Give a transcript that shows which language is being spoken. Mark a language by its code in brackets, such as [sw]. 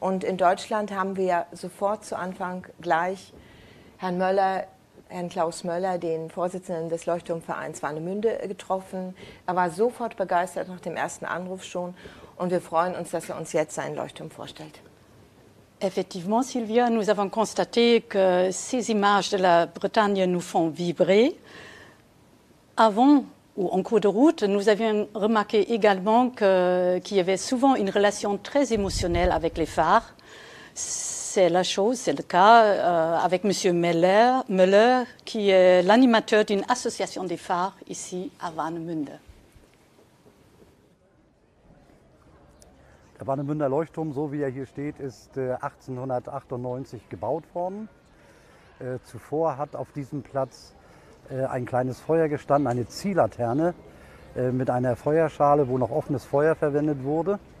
[de] Und in Deutschland haben wir sofort zu Anfang gleich Herrn Möller, Herrn Klaus Möller, den Vorsitzenden des Leuchtturmvereins Warnemünde, getroffen. Er war sofort begeistert nach dem ersten Anruf schon und wir freuen uns, dass er uns jetzt seinen Leuchtturm vorstellt. [fr] Effectivement, Sylvia, nous avons constaté que ces images de la Bretagne nous font vibrer. Avant ou en cours de route, nous avions remarqué également qu'il y avait souvent une relation très émotionnelle avec les phares. C'est la chose, c'est le cas avec Monsieur Müller, qui est l'animateur d'une association des phares ici à Warnemünde. [de] Der Warnemünder Leuchtturm, so wie er hier steht, ist 1898 gebaut worden. Zuvor hat auf diesem Platz ein kleines Feuer gestanden, eine Ziehlaterne mit einer Feuerschale, wo noch offenes Feuer verwendet wurde.